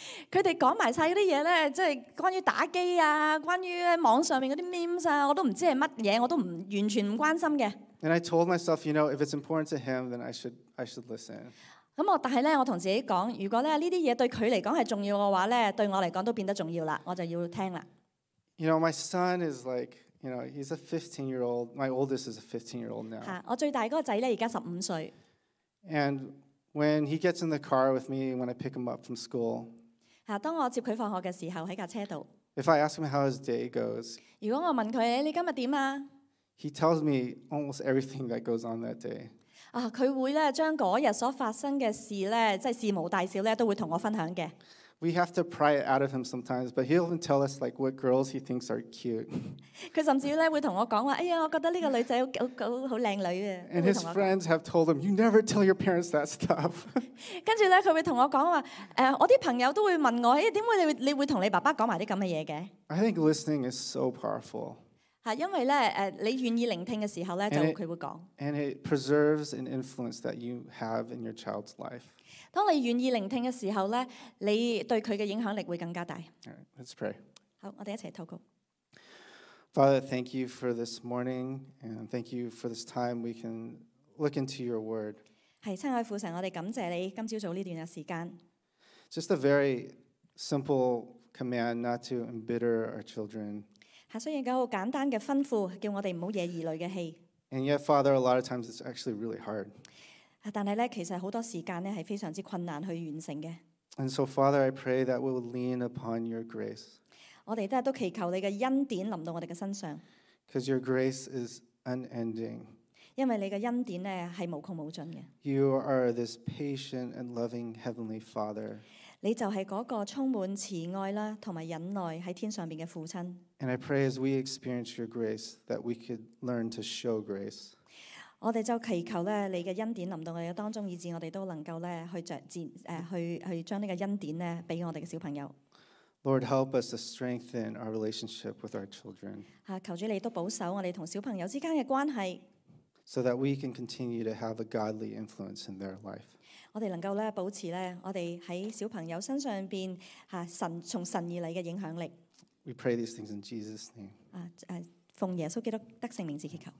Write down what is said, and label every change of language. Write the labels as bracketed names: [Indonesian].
[Cantonese] 佢哋讲埋晒嗰啲嘢咧，即系关于打机啊，关于网上面嗰啲 memes 啊，我都唔知系乜嘢，我都完全唔关心嘅。 [English] And I told myself, you know, if it's important to him, then I should listen. [Cantonese] 咁但系咧，我同自己讲，如果咧呢啲嘢对佢嚟讲系重要嘅话咧，对我嚟讲都变得重要啦，我就要听啦。 [English] You know, my son is like, you know, he's a 15-year-old. My oldest is a 15-year-old now. [Cantonese] 我最大嗰个仔咧，而家15岁。 [English] And when he gets in the car with me, when I pick him up from school. [Cantonese] 當我接佢放學嘅時候喺架車度。 [English] If I ask him how his day goes, [Cantonese] 如果我問佢你今日點啊 [English] ？He tells me almost everything that goes on that day. [Cantonese] 佢會咧將嗰日所發生嘅事咧，即係事無大小咧，都會同我分享嘅。 [English] We have to pry it out of him sometimes, but he'll even tell us like what girls he thinks are cute. [Cantonese] 佢甚至咧會同我講話，哎呀，我覺得呢個女仔好靚女啊。 [English] And his friends have told him, "You never tell your parents that stuff." [Cantonese] 跟住咧，佢會同我講話，我啲朋友都會問我，哎，點會你會同你爸爸講埋啲咁嘅嘢嘅 [English] ？I think listening is so powerful. [Cantonese] 因為咧，你願意聆聽嘅時候咧，就佢會講。 [English] And it preserves an influence that you have in your child's life. [Cantonese] 当你愿意聆听嘅时候咧，你对佢嘅影响力会更加大。 [English] Right, let's pray. [Cantonese] 好，我哋一齐祷告。 [English] Father, thank you for this morning, and thank you for this time we can look into your word. [Cantonese] 系，亲爱父神，我哋感谢你今朝早呢段嘅时间。 [English] Just a very simple command not to embitter our children. [Cantonese] 系，虽然一个好简单嘅吩咐，叫我哋唔好惹儿女嘅气。 [English] And yet, Father, a lot of times it's actually really hard. [Cantonese] 但系咧，其实好多时间咧系非常之困难去完成嘅。 [English] And so, Father, I pray that we will lean upon your grace. [Cantonese] 我哋都祈求你嘅恩典临到我哋嘅身上。 [English] Because your grace is unending. [Cantonese] 因为你嘅恩典咧系无穷无尽嘅。 [English] You are this patient and loving heavenly Father. [Cantonese] 你就系嗰个充满慈爱啦，同埋忍耐喺天上边嘅父亲。 [English] And I pray as we experience your grace that we could learn to show grace. [Cantonese] 我哋就祈求咧，你嘅恩典临到我哋当中，以致我哋都能够咧去着践去将呢个恩典咧俾我哋嘅小朋友。 [English] Lord, help us to strengthen our relationship with our children. [Cantonese] 求主你都保守我哋同小朋友之间嘅关系。 [English] So that we can continue to have a godly influence in their life. [Cantonese] 我哋能够咧保持咧，我哋喺小朋友身上边神从神而嚟嘅影响力。 [English] We pray these things in Jesus' name. [Cantonese] 奉耶稣基督得圣名字祈求。